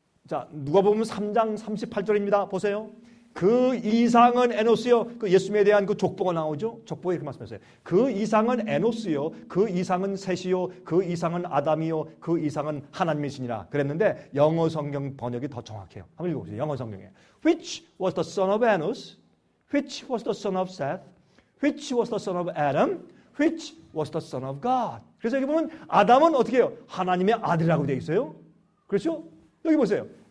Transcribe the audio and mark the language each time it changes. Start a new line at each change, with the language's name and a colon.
Korean: 자, 누가 보면 3장 38절입니다. 보세요. 그 이상은 에노스요. 그 예수님에 대한 그 족보가 나오죠. 족보에 이렇게 말씀했어요. 그 이상은 에노스요. 그 이상은 셋이요. 그 이상은 아담이요. 그 이상은 하나님이시니라. 그랬는데 영어 성경 번역이 더 정확해요. 한번 읽어보세요. 영어 성경에.
English: Which was the son of Enos? Which was the son of Seth? Which was the son of Adam? Which was the son of God?
Korean: 그래서 여기 보면 아담은 어떻게 해요? 하나님의 아들이라고 되어 있어요. 그렇죠? 여기 보세요.